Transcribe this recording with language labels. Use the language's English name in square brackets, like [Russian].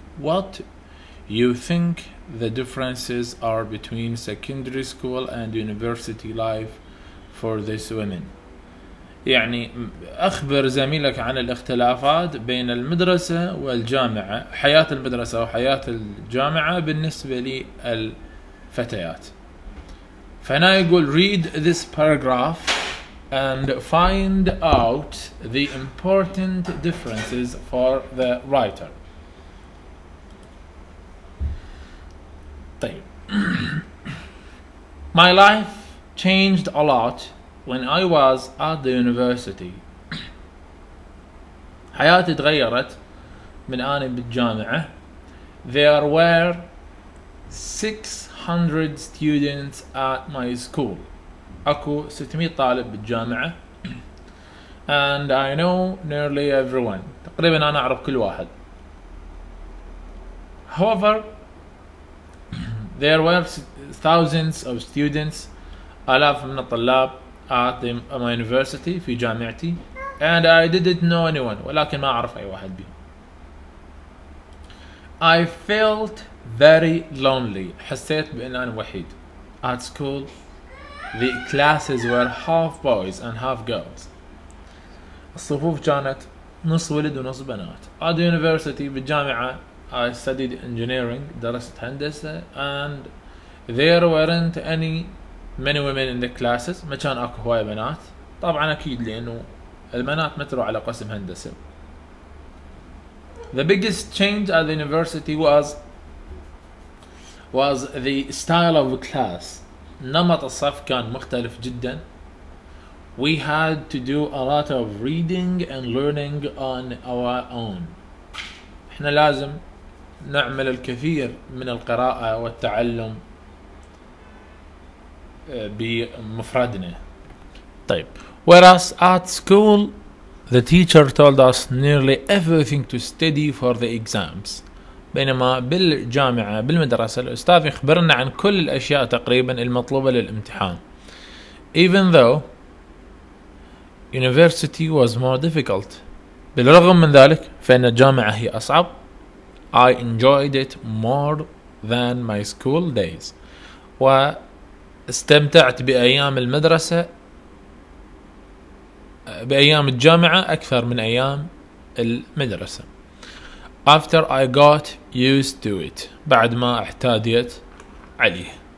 [English] what you think the differences are between secondary school and university life for this woman، [Arabic] يعني أخبر زميلك عن الاختلافات بين المدرسة والجامعة، حياة المدرسة وحياة الجامعة بالنسبة لل فتيات. فهنا يقول [English] read this paragraph and find out the important differences for the writer. طيب my life changed a lot when I was at the university. [Arabic] حياتي تغيرت من أني بالجامعة. [English] There were 600 students at my school. [Arabic] أكو 600 طالب بالجامعة. [English] And I know nearly everyone. [Arabic] تقريبا أنا أعرف كل واحد. [English] However, there were thousands of students, [Arabic] آلاف من الطلاب [English] at my university [Arabic] في جامعتي. [English] And I didn't know anyone. [Arabic] ولكن ما أعرف أي واحد بيهم. [English] I felt very lonely. [Arabic] حسيت بأن أنا وحيد. [English] At school, the classes were half boys and half girls. [Arabic] الصفوف كانت نص ولد ونص بنات. [English] At the university, [Arabic] بالجامعة, [English] I studied engineering. [Arabic] درست هندسة. [English] And there weren't any many women in the classes. [Arabic] ما كان أكو هواي بنات. طبعا أكيد لأنه البنات ما تروح على قسم هندسة. [English] The biggest change at the university was the style of class. [Arabic] نمط الصف كان مختلف جدا. [English] We had to do a lot of reading and learning on our own. [Arabic] احنا لازم نعمل الكثير من القراءة والتعلم بمفردنا. [English] طيب whereas at school the teacher told us nearly everything to study for the exams. [Arabic] بينما بالجامعة بالمدرسة الأستاذ يخبرنا عن كل الأشياء تقريبا المطلوبة للامتحان. [English] Even though university was more difficult. [Arabic] بالرغم من ذلك فإن الجامعة هي أصعب. [English] I enjoyed it more than my school days. [Arabic] واستمتعت بأيام المدرسة بأيام الجامعة أكثر من أيام المدرسة. [English] After I got used to it. [Arabic] بعد ما احتاجيت عليه.